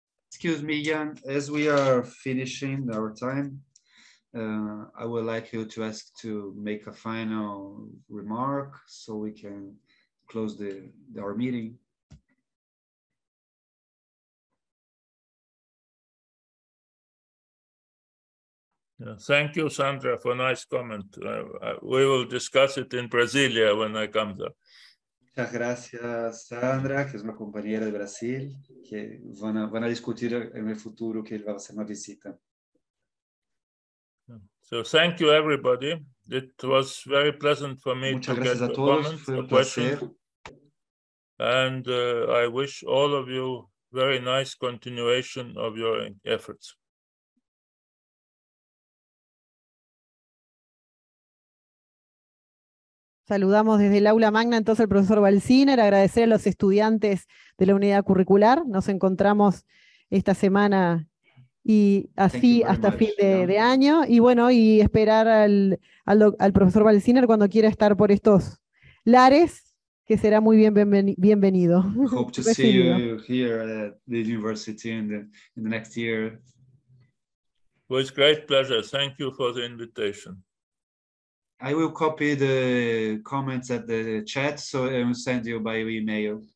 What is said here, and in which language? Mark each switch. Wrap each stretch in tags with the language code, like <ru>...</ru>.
<en>Excuse me, Jan, as we are finishing our time, I would like you to ask to make a final remark so we can close our meeting. Thank you, Sandra, for a nice comment. We will discuss it in Brasilia when I come there.</en> <es>Muchas gracias, Sandra, que es una compañera de Brasil, que van a discutir en el futuro que él va a hacer una visita.</es> <en>So thank you, everybody. It was very pleasant for me</en> <es>Muchas</es> <en>to get the comments, the questions. And I wish all of you very nice continuation of your efforts.</en> <es>Saludamos desde el aula magna entonces al profesor Valsiner, agradecer a los estudiantes de la unidad curricular. Nos encontramos esta semana y así hasta fin de año, y bueno, y esperar al profesor Valsiner cuando quiera estar por estos lares, que será muy bienvenido.</es> <en>Hope to see you here at the university in the next year. Well, it's great pleasure. Thank you for the invitation. I will copy the comments at the chat, so I will send you by email.</en>